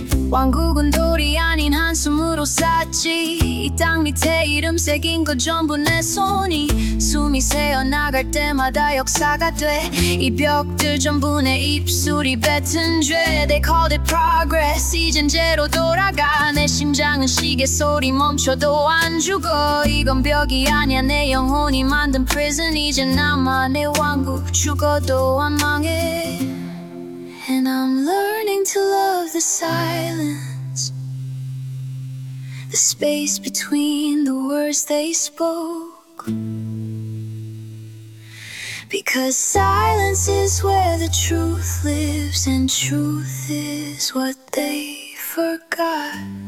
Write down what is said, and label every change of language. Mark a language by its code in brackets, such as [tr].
[ko] 왕국은 돌이 아닌 한 스물로 쌓지. 이 땅 밑에 이름 새긴 거 전부 내 손이. 숨이 새어나갈 때마다 역사가 돼. 이 벽들 전부 내 입술이 뱉은 죄. [en] They called it progress, [ko] 이젠 제로 돌아가. 내 심장은 시계 소리 멈춰도 안 죽어. 이건 벽이 아니야, 내 영혼이 만든 prison. 이젠 나만의 왕국, 죽어도 안 망해. [en] And I'm learning to love the silence, the space between the words they spoke. Because silence is where the truth lives, and truth is what they forgot.